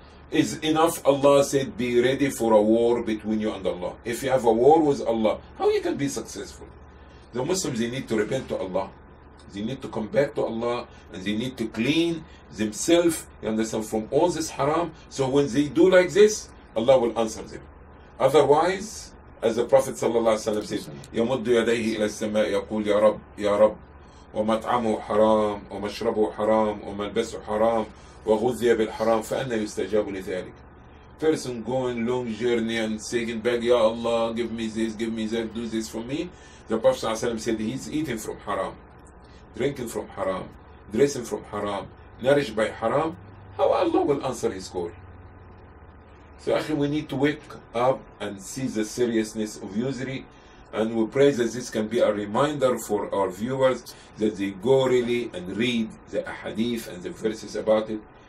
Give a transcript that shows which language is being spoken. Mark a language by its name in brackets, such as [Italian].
[English] Is enough, Allah said, be ready for a war between you and Allah. If you have a war with Allah, how you can be successful? The Muslims, they need to repent to Allah. They need to come back to Allah, and they need to clean themselves, you understand, from all this haram. So when they do like this, Allah will answer them. Otherwise, as the Prophet says, [Arabic] يَمُدُّ يَدَيْهِ إِلَى السَّمَاءِ يَقُولُ يَا رَبْ يَا رَبْ وَمَطْعَمُهُ حَرَامٌ وَمَشْرَبُهُ حَرَامٌ وَمَلْبَسُهُ حَرَامٌ وَغُذِيَ بِالْحَرَامِ فَأَنَّى يُسْتَجَابُ لِذَلِكَ. [English] Person going long journey and saying back, Ya Allah, give me this, give me that, do this for me. The Prophet said, he's eating from haram, drinking from haram, dressing from haram, nourished by haram. How Allah will answer his call? So actually, we need to wake up and see the seriousness of usury, and we pray that this can be a reminder for our viewers that they go really and read the ahadith and the verses about it.